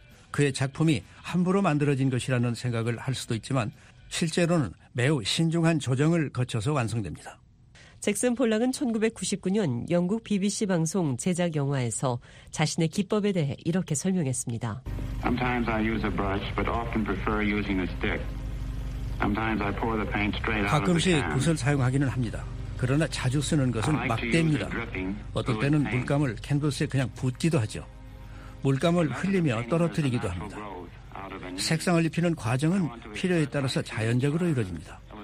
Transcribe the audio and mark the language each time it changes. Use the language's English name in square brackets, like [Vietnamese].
[Korean] 그의 작품이 함부로 만들어진 것이라는 생각을 할 수도 있지만 실제로는 매우 신중한 조정을 거쳐서 완성됩니다. 잭슨 폴락은 1999년 영국 BBC 방송 제작 영화에서 자신의 기법에 대해 이렇게 설명했습니다. [English] Sometimes I use a brush, but often prefer using a stick. Sometimes I pour the paint straight out of the can. [Korean] 가끔씩 붓을 사용하기는 합니다. 그러나 자주 쓰는 것은 막대입니다. 어떤 때는 물감을 캔버스에 그냥 붓기도 하죠. 물감을 흘리며 떨어뜨리기도 합니다. 색상을 입히는 과정은 필요에 따라서 자연적으로 이루어집니다.